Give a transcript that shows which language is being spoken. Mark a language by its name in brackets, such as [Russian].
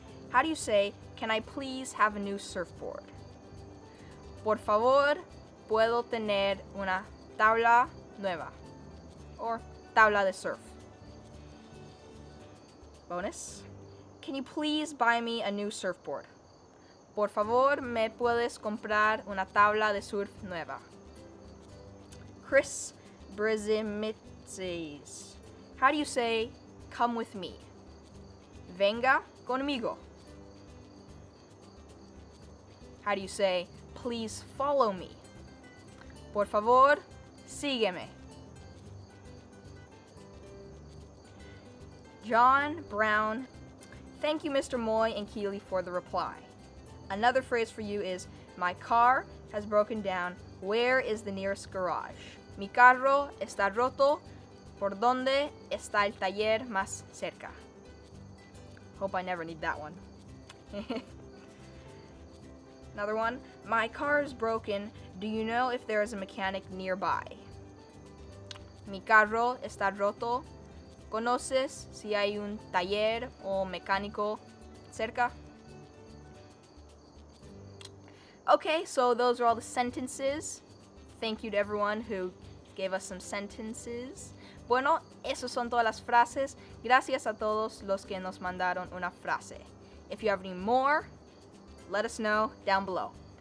[English] How do you say, can I please have a new surfboard? [Spanish] Por favor, puedo tener una tabla nueva. Or tabla de surf. [English] Bonus. Can you please buy me a new surfboard? [Spanish] Por favor, me puedes comprar una tabla de surf nueva. [English] Chris Brzimitzes. How do you say, come with me? [Spanish] Venga conmigo. [English] How do you say, please follow me? [Spanish] Por favor, sígueme. [English] John Brown, thank you, Mr. Moy and Keeley, for the reply. Another phrase for you is, my car has broken down. Where is the nearest garage? [Spanish] Mi carro está roto. ¿Por dónde está el taller más cerca? [English] Hope I never need that one. Another one. My car is broken. Do you know if there is a mechanic nearby? [Spanish] Mi carro está roto. ¿Conoces si hay un taller o mecánico cerca? [English] Okay, so those are all the sentences. Thank you to everyone who gave us some sentences. [Spanish] Bueno, esas son todas las frases. Gracias a todos los que nos mandaron una frase. [English] If you have any more, let us know down below.